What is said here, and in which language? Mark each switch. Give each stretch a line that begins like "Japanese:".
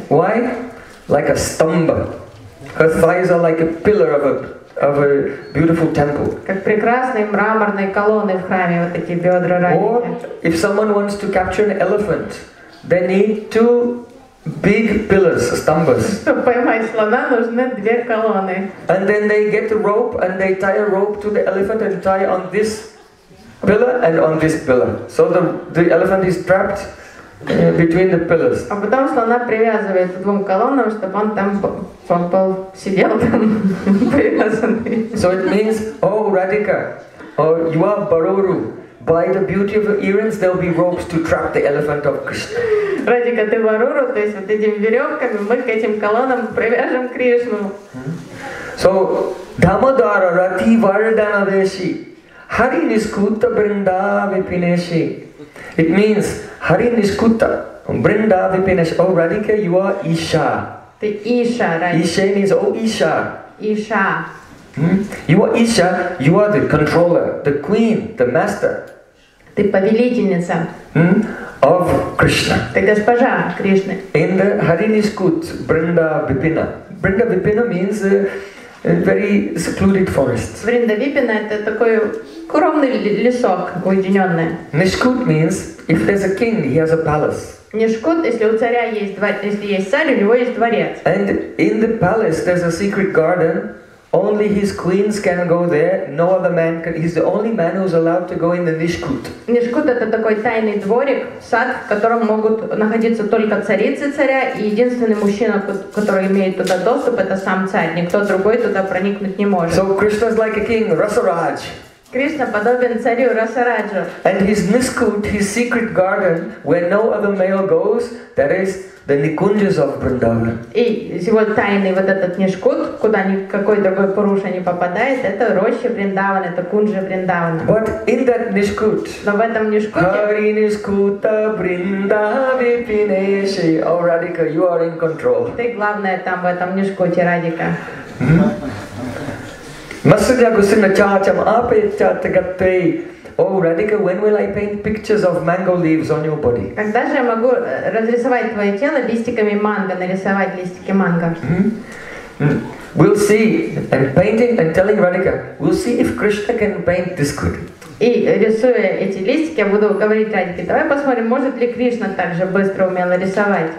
English: Why? Like a stumba. Her thighs are like a pillar of a of a beautiful temple.
Russian: Как прекрасные мраморные колонны в храме, вот эти бедра
English: ради. Or if someone wants to capture an elephant, they need two big pillars, stambas.
Russian: Чтобы поймать слона, нужны две колонны.
English: And then they get a rope and they tie a rope to the elephant and tie on this pillar and on this pillar. So the elephant is trapped between the pillars.
Russian: А потом слона привязывает к двум колоннам, чтобы он там был, сидел там привязанный.
English: So it means, oh Radhika, oh you are Baroru. By the beauty of your earrings, there will be ropes to trap the elephant of Krishna.
Russian: Radhika, ты Баруру, то есть вот этими веревками мы к этим колоннам привяжем Кришну.
Sanskrit: So, Дамодара Рати Вардана Веши, Хари Нискута Бринда Випинеши.
English: It means Hari Niskuta, Brinda Vipinesh. Oh Radhika, you are Isha. The Isha, right? Isha means oh Isha. Isha. Hmm? You are Isha, you are the controller, the queen, the master.
Russian: Ты повелительница.
English: Hmm? Of Krishna.
Russian: Ты госпожа Кришны.
English: In the Hari Niskut, Brinda Vipina. Brinda Vipina means a very secluded forest.
Russian: Brinda Vipina это такой укромный лесок, уединенный.
English: Niskut means if there's a king, he has a palace.
Russian: Нишкут, если у царя есть дворец, если есть царь, у него есть дворец.
English: And in the palace there's a secret garden. Only his queens can go there. No other man can. He's the only man who's allowed to go in the Nishkut.
Russian: Нишкут это такой тайный дворик, сад, в котором могут находиться только царицы царя и единственный мужчина, который имеет туда доступ, это сам царь. Никто другой туда проникнуть не может.
English: So Krishna is like a king, Rasaraj.
Russian: Кришна подобен царю Расараджу.
English: And his Nishkut, his secret garden, where no other male goes, that is the Nikunjas of Vrindavan.
Russian: И его тайный вот этот Нишкут, куда никакой другой Пуруша не попадает, это роща Вриндаван, это кунжа Вриндавана.
English: But in that Нишкут,
Russian: но в этом Нишкуте,
English: Hari Niskuta Vrindavi Pineshi, oh Radhika, you are in control.
Russian: Ты главное там в этом Нишкуте, Радика.
Sanskrit: Масудя гусина чачам апетчатагаттей.
English: Oh Radhika, when will I paint pictures of mango leaves on your body?
Russian: Когда же я могу разрисовать твое тело листиками манго, нарисовать листики манго?
English: We'll see. I'm painting and telling Radhika. We'll see if Krishna can paint this good.
Russian: И рисуя эти листики, я буду говорить Радхике: давай посмотрим, может ли Кришна также быстро умело рисовать.